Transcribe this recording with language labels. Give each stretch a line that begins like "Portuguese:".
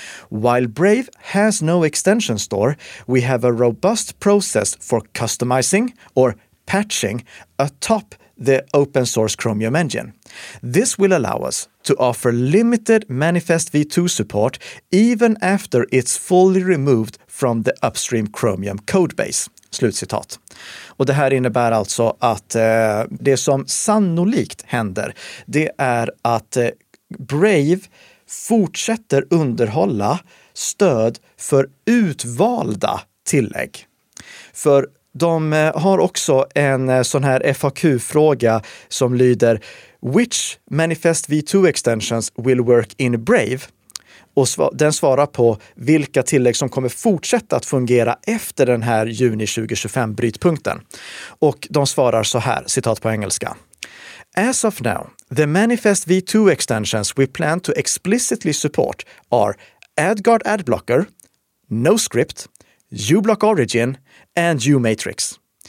English: While Brave has no extension store, we have a robust process for customizing or patching atop the open source Chromium engine. This will allow us to offer limited Manifest V2 support even after it's fully removed from the upstream Chromium codebase.
Swedish: Slutcitat. Och det här innebär alltså att det som sannolikt händer, det är att Brave fortsätter underhålla stöd för utvalda tillägg. För de har också en sån här FAQ-fråga som lyder,
English: which Manifest V2 extensions will work in Brave?
Swedish: Och den svarar på vilka tillägg som kommer fortsätta att fungera efter den här juni 2025-brytpunkten. Och de svarar så här, citat på engelska.
English: As of now, the Manifest V2 extensions we plan to explicitly support are AdGuard AdBlocker, NoScript, uBlock Origin and uMatrix.